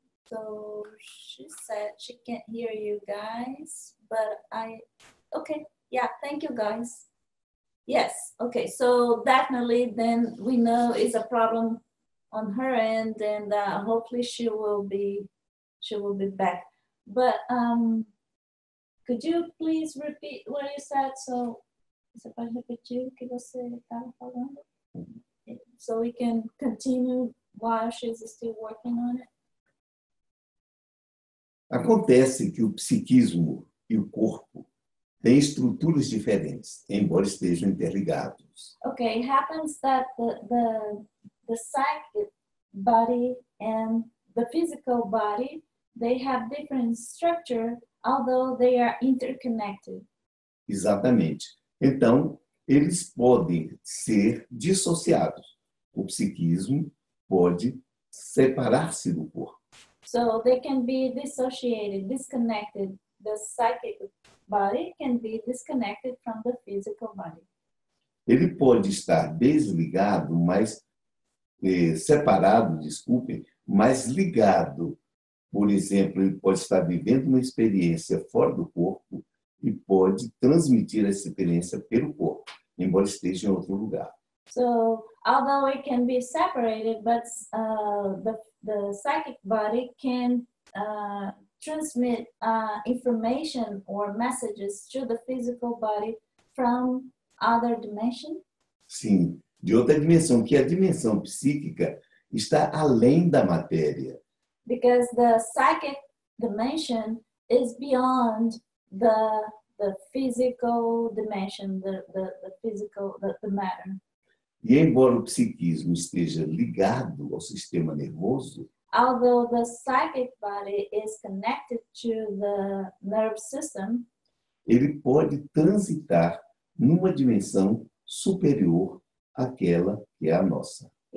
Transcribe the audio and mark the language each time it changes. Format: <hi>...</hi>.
<en>So she said she can't hear you guys, thank you guys. Yes, okay, so definitely then we know it's a problem on her end, and hopefully she will be back. But could you please repeat what you said?</en> <pt>So você pode repetir o que você estava falando?</pt> <en>So we can continue while she's still working on it.</en> <pt>Acontece que o psiquismo e o corpo tem estruturas diferentes, embora estejam interligados.</pt> <en>Okay, it happens that the psychic body and the physical body, they have different structure, although they are interconnected.</en> <pt>Exatamente. Então, eles podem ser dissociados. O psiquismo pode separar-se do corpo.</pt> <en>So they can be dissociated, disconnected. The psychic body can be disconnected from the physical body.</en> <pt>Ele pode estar desligado, mas separado, desculpe, mas ligado. Por exemplo, ele pode estar vivendo uma experiência fora do corpo e pode transmitir essa experiência pelo corpo, embora esteja em outro lugar.</pt> <en>So, although it can be separated, but the psychic body can transmit information or messages to the physical body from other dimension?</en> <pt>Sim, de outra dimensão, que a dimensão psíquica está além da matéria.</pt> <en>Because the psychic dimension is beyond the physical dimension, the physical, the matter.</en> <pt>E embora o psiquismo esteja ligado ao sistema nervoso,</pt> <en>although the psychic body is connected to the nerve system,</en> <pt>ele pode transitar numa dimensão superior àquela que é a nossa.</pt>